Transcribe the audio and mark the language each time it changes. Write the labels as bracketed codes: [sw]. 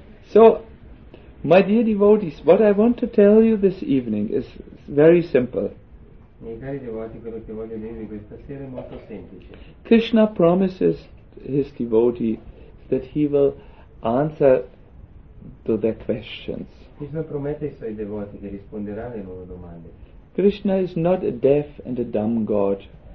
[en] So, my dear devotees, what I want to tell you this evening is very simple. [it] Miei cari devoti, quello che voglio dirvi questa sera è molto semplice. [en] Krishna promises his devotee that he will answer to their questions. [it] Krishna promette ai suoi devoti che risponderà alle loro domande. [en] Krishna is not a deaf and a dumb god.